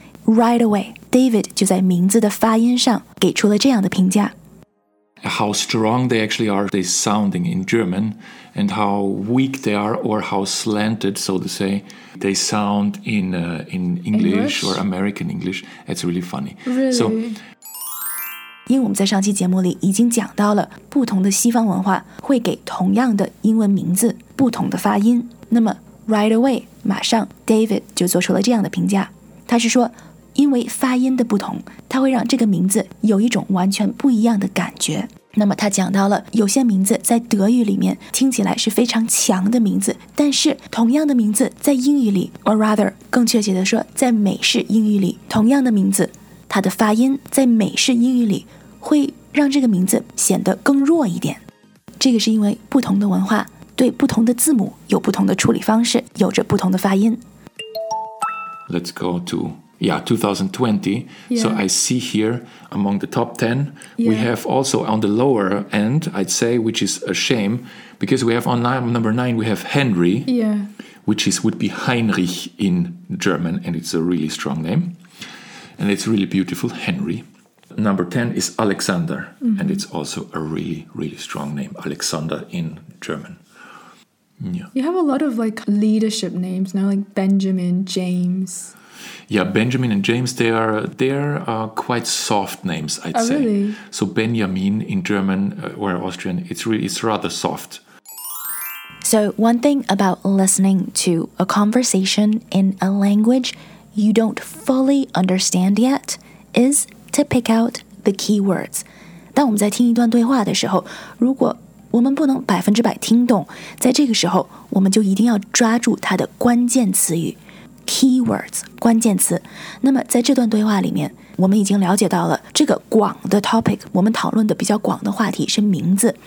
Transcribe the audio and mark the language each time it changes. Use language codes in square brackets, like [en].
[en] Right away, [zh] David 就在名字的发音上给出了这样的评价。 [en] How strong they actually are, they sounding in German, and how weak they are, or how slanted, so to say, they sound in English or American English. It's really funny. Really? So, [zh] 因为我们在上期节目里已经讲到了不同的西方文化会给同样的英文名字不同的发音。那么 [en] right away, [zh] 马上 David 就做出了这样的评价。他是说因为发音的不同，它会让这个名字有一种完全不一样的感觉。那么他讲到了有些名字在德语里面听起来是非常强的名字，但是同样的名字在英语里 [en] or rather [zh] 更确切地说在美式英语里，同样的名字它的发音在美式英语里会让这个名字显得更弱一点。这个是因为不同的文化对不同的字母有不同的处理方式，有着不同的发音。 [en] Let's go to 2020. Yeah. So I see here among the top 10, we have also on the lower end, I'd say, which is a shame, because we have on number 9, we have Henry, which is, would be Heinrich in German, and it's a really strong name. And it's really beautiful, Henry. Number 10 is Alexander, and it's also a really, really strong name, Alexander in German. Yeah. You have a lot of like leadership names now, like Benjamin, James. Yeah, Benjamin and James, they are quite soft names, I'd say. Really? So Benjamin in German or Austrian, it's rather soft. So one thing about listening to a conversation in a language you don't fully understand yet is to pick out the keywords. [zh] 当我们在听一段对话的时候，如果我们不能百分之百听懂，在这个时候我们就一定要抓住它的关键词语 [en] keywords [zh] 关键词。那么在这段对话里面，我们已经了解到了这个广的 topic， 我们讨论的比较广的话题是名字。